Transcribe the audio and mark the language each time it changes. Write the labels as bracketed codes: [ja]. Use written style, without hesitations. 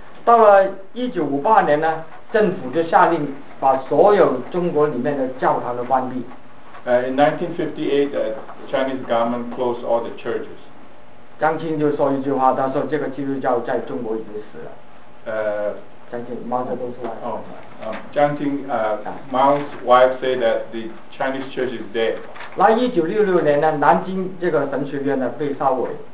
[zh] 到了1958年呢，政府就下令把所有中国里面的教堂都关闭。 [en] In 1958, the Chinese government closed all the churches. [zh] 江青就说一句话，他说这个基督教在中国已经死了。江青，毛泽东说的。 [en] 江青，Mao's wife said that the Chinese church is dead. [zh] 那1966年呢，南京这个神学院呢被烧毁。